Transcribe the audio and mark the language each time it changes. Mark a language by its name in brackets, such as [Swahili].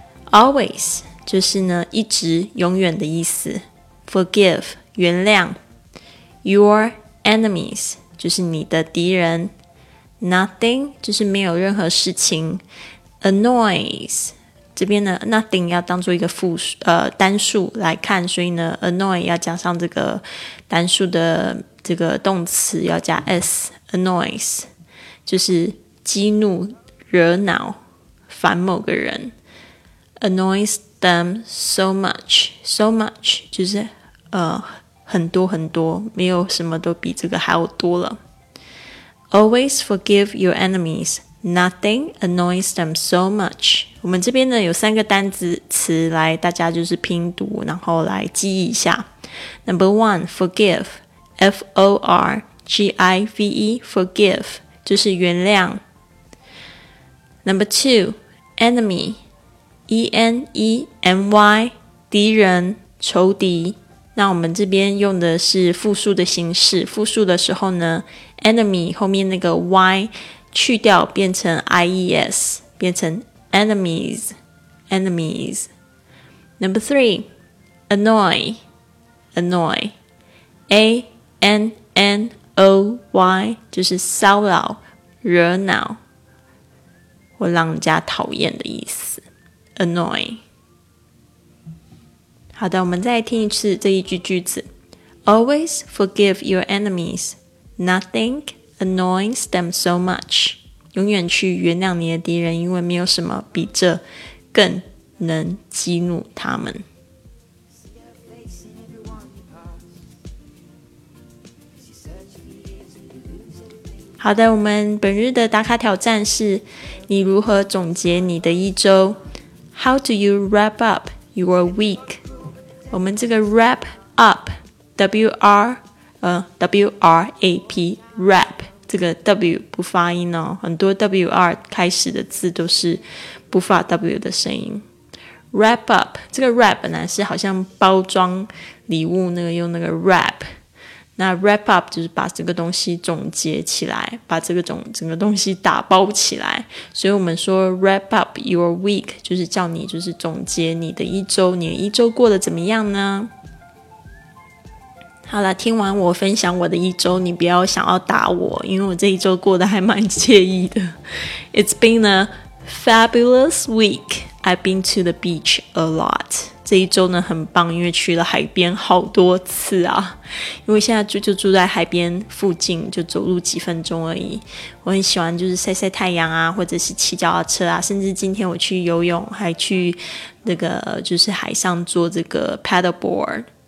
[Chinese] Always 就是呢一直永远的意思， Forgive 原谅， [English] Your enemies [Chinese] 就是你的敌人， Nothing 就是没有任何事情， Annoys 这边呢 Nothing 要当作一个单数来看，所以呢 Annoy 要加上这个单数的这个动词，要加 S， Annoys 就是激怒惹恼烦某个人。 [English] Annoys them so much, so much [Chinese] 就是很多很多，没有什么都比这个还要多了。 [English] Always forgive your enemies, nothing annoys them so much. [Chinese] 我们这边呢有三个单字词来大家就是拼读，然后来记忆一下。 [English] Number one, forgive, F-O-R-G-I-V-E, forgive [Chinese] 就是原谅。 [English] Number two, enemy. [Chinese] E-N-E-M-Y 敌人仇敌，那我们这边用的是复数的形式，复数的时候呢 enemy 后面那个 y 去掉变成 I-E-S 变成 enemies enemies. Number three, annoy annoy A-N-N-O-Y 就是骚扰惹恼或让人家讨厌的意思，annoy。好的，我们再听一次这一句句子。 [English] Always forgive your enemies, nothing annoys them so much. [Chinese] 永远去原谅你的敌人，因为没有什么比这更能激怒他们。好的，我们本日的打卡挑战是你如何总结你的一周。 [English] How do you wrap up your week? [Chinese] 我们这个 wrap up, W-R-A-P, wrap, 这个 W 不发音哦，很多 W-R 开始的字都是不发 W 的声音。 Wrap up, 这个 wrap 本来是好像包装礼物那个用那个 wrap, 那 wrap up 就是把这个东西总结起来，把这个整个东西打包起来，所以我们说 [English] wrap up your week [Chinese] 就是叫你就是总结你的一周，你的一周过得怎么样呢？好了，听完我分享我的一周，你不要想要打我，因为我这一周过得还蛮惬意的。 [English] It's been a fabulous week. I've been to the beach a lot. [Chinese] 这一周呢很棒，因为去了海边好多次啊，因为现在就住在海边附近，就走路几分钟而已。我很喜欢就是晒晒太阳啊，或者是骑脚踏车啊，甚至今天我去游泳，还去那个就是海上做这个 paddleboard